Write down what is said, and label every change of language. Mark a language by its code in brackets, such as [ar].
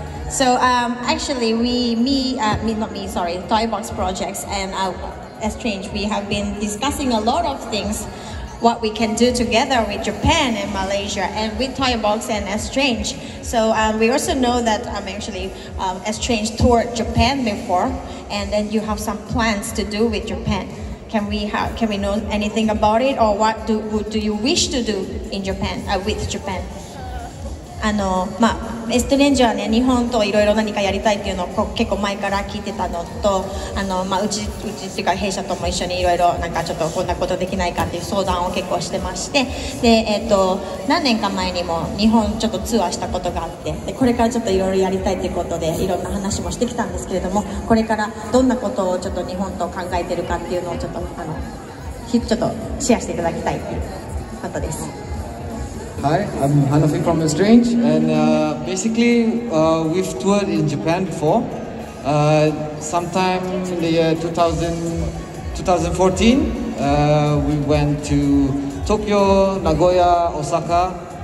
[en] So actually Toybox Projects and Estranged, we have been discussing a lot of things, what we can do together with Japan and Malaysia and with Toybox and Estranged. So we also know that Estranged toured Japan before, and then you have some plans to do with Japan. Can we know anything about it, or what do you wish to do in Japan, with Japan? [ja] まあ、エストレンジはね、日本といろいろ何かやりたいっていうのを結構前から聞いてたのと、まあ、うちっていうか弊社とも一緒にいろいろなんかちょっとこんなことできないかっていう相談を結構してまして、で、何年か前にも日本ちょっとツアーしたことがあって、でこれからちょっといろいろやりたいということでいろんな話もしてきたんですけれども、これからどんなことをちょっと日本と考えてるかっていうのをちょっとちょっとシェアしていただきたいということです。 [en] Hi, I'm Hanafi from Estranged, and basically we've toured in Japan before. Sometime in the year 2014, We went to Tokyo, Nagoya, Osaka.